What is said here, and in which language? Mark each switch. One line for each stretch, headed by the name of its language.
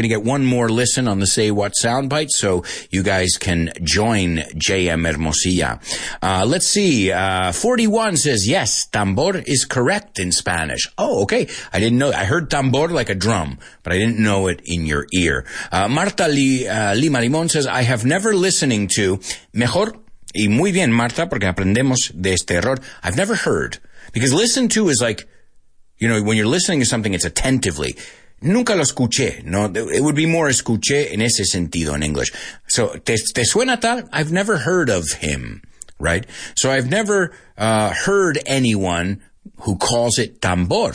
English: You're going to get one more listen on the Say What soundbite, so you guys can join JM Hermosilla. Let's see. 41 says, yes, tambor is correct in Spanish. Oh, okay. I didn't know. I heard tambor like a drum, but I didn't know it in your ear. Marta Lima Limón says, I have never listening to...
Spanish: Mejor y muy bien, Marta, porque aprendemos de este error.
English: I've never heard... Because listen to is like, you know, when you're listening to something, it's attentively.
Spanish: Nunca lo escuché, no?
English: It would be more
Spanish: escuché en ese sentido
English: in English. So,
Spanish: ¿te suena tal?
English: I've never heard of him, right? So I've never heard anyone who calls it tambor.